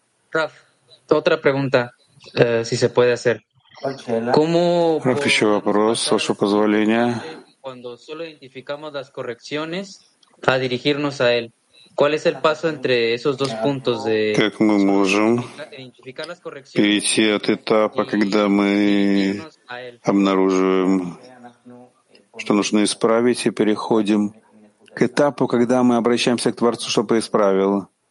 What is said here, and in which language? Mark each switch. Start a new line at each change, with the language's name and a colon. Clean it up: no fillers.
Spanish: Раф, otra pregunta, si se puede hacer.
Russian: Раф, еще вопрос, с вашего позволения.
Spanish: Cuando solo identificamos las correcciones a dirigirnos a él, ¿cuál es el paso entre esos dos puntos de?
Russian: Как мы можем перейти от этапа, когда мы обнаруживаем, что нужно исправить, и переходим к этапу, когда мы обращаемся к Творцу, чтобы исправил?